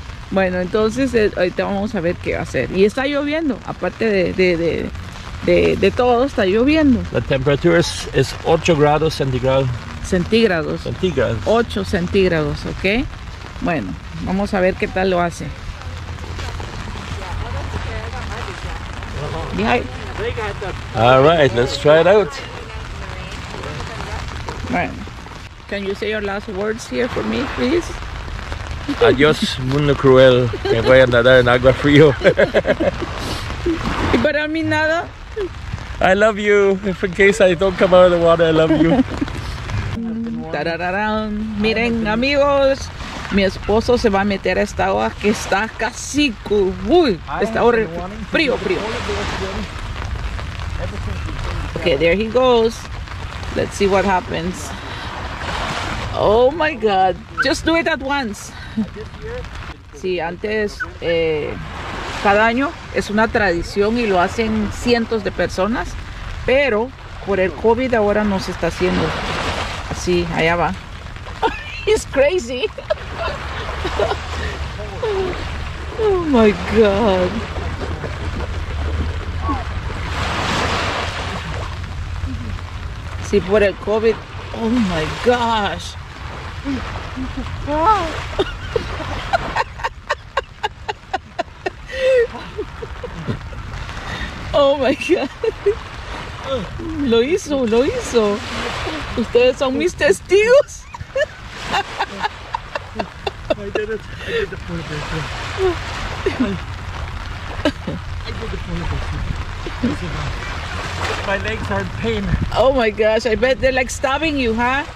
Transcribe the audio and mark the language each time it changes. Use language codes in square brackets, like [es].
[es] Bueno, entonces ahorita vamos a ver qué va a hacer. Y está lloviendo, aparte de todo, está lloviendo. La temperatura es 8 grados centígrados. Centígrados. Centígrados. 8 centígrados, ok. Bueno, vamos a ver qué tal lo hace. [en] All right, let's try it out. Bueno, can you say your last words here for me, please? [es] Adiós, mundo cruel. Me voy a nadar en agua frío. ¿Y para mí nada? [en] I love you. If in case I don't come out of the water, I love you. [es] Tarararán. Miren, amigos. Mi esposo se va a meter a esta agua que está casi está horrible, frío. [en] Okay, there he goes. Let's see what happens. Oh my God, just do it at once. [es] Sí, antes, cada año es una tradición y lo hacen cientos de personas, pero por el COVID ahora no se está haciendo. Así, allá va. [en] He's crazy. Oh my God. [es] Si por el COVID. [en] Oh my gosh. Oh my God. [es] Lo hizo. Ustedes son mis testigos. [en] I did the polar bear swim. My legs are in pain. Oh my gosh, I bet they're like stabbing you, huh?